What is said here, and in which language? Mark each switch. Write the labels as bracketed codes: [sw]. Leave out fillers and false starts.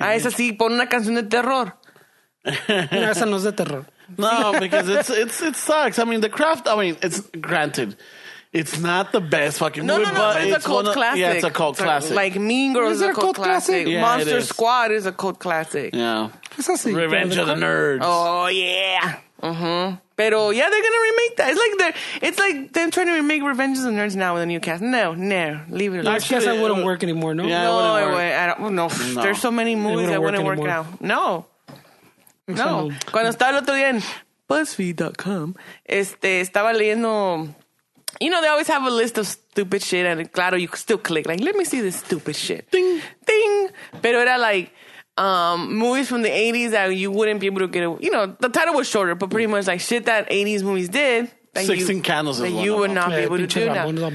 [es] A esa sí, pon una canción de terror. No, esa no es de terror. [en] No, because it sucks. I mean, The Craft, I mean, it's granted, it's not the best fucking movie, no, but it's a cult classic. Yeah, it's a cult classic. Like Mean Girls is a cult classic. Yeah, Monster is. Squad is a cult classic. Yeah. Revenge of the Nerds. Oh, yeah. Mm-hmm. [es] Pero, [en] yeah, they're going to remake that. It's like them trying to remake Revenge of the Nerds now with a new cast. No, leave it alone. I guess it wouldn't work anymore, no? Yeah, no, it wouldn't work. No. There's so many movies that wouldn't work now. No. No. [es] Cuando estaba el otro día en BuzzFeed.com, estaba leyendo... [en] You know, they always have a list of stupid shit, and [es] claro, [en] you still click. Like, let me see this stupid shit. Ding. Ding. [es] Pero era [en] like movies from the 80s that you wouldn't be able to get away. You know, the title was shorter, but pretty much like shit that 80s movies did. That 16 you, Candles that you would not be able to do now.